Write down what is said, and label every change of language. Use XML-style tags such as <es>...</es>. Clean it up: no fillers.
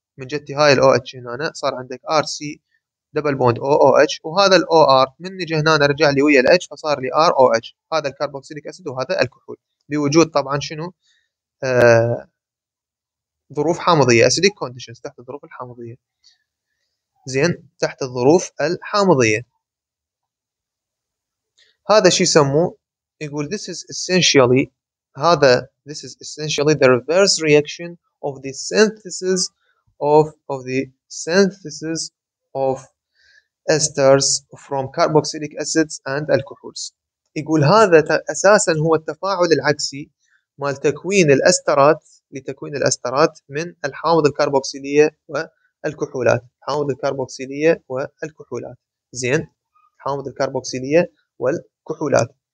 <ar>من جهتي هاي OH هنا صار عندك RC دبل بوند O OH، وهذا OR من جه هنا رجع لي ويا H فصار لي ROH، هذا الكربوكسيليك اسيد وهذا الكحول، بوجود طبعا شنو ظروف حامضيه،</ar> <en>acidic conditions</en> <ar>تحت الظروف الحامضيه، زين تحت الظروف الحامضيه. هذا شيء يسموه يقول</ar> <en>this is essentially، هذا this is essentially the reverse reaction of the synthesis of the synthesis of esters from carboxylic acids and alcohols.</en> <ar>يقول هذا اساسا هو التفاعل العكسي مال تكوين الاسترات، لتكوين الاسترات من الحامض الكربوكسيليه والكحولات، حامض الكربوكسيليه والكحولات، زين حامض الكربوكسيليه والكحولات.</ar>